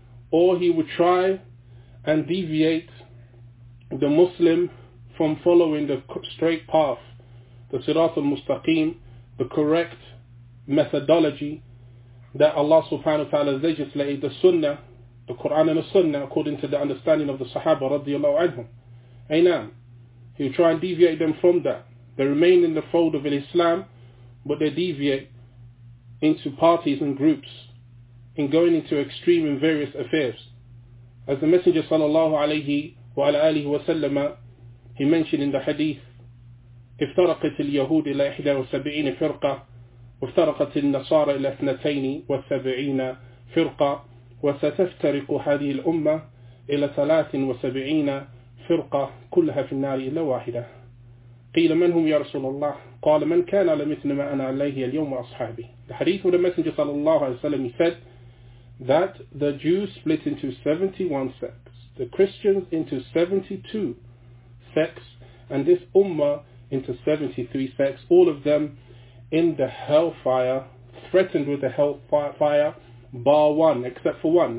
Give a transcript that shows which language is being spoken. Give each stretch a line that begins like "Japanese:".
English: Or he would try and deviate the Muslim from following the straight path, the Sirat al-Mustaqim, the correct methodology that Allah subhanahu wa ta'ala legislated, the Sunnah, the Quran and the Sunnah, according to the understanding of the Sahaba radiyallahu anhum. Aynam. He would try and deviate them from that. They remain in the fold of Islam, but they deviate into parties and groups, in going into extreme in various affairs. As the Messenger sallallahu alayhi wa alayhi wa sallam, he mentioned in the hadith,
Arabic: افترقت اليهود إلى 71 فرقة وافترقت النصارى إلى 72 فرقة وستفترق هذه الأمة إلى 73 فرقة كلها في النار إلا واحدة. قيل من هم يا رسول الله؟ قال من كان على مثل ما أنا عليه اليوم وأصحابي.
English: The hadith of the Messenger sallallahu alayhi wa sallam, he said that the Jews split into 71 sects, the Christians into 72 sects, and this Ummah into 73 sects, all of them in the hellfire, threatened with the hellfire, bar one, except for one.